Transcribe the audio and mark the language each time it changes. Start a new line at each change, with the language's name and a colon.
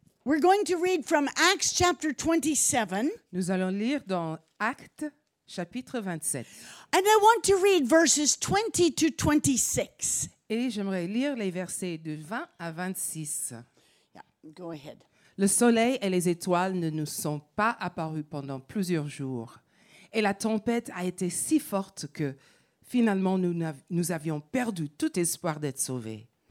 English: We're going to read from Acts chapter 27.
French: Nous allons lire dans Actes chapitre 27.
English: And I want to read verses 20 to 26.
French: Et j'aimerais lire les versets de 20 à 26.
English: Yeah, go ahead.
French: Le soleil et les étoiles ne nous sont pas apparus pendant plusieurs jours. Et la tempête a été si forte que finalement nous avions perdu tout espoir d'être sauvés.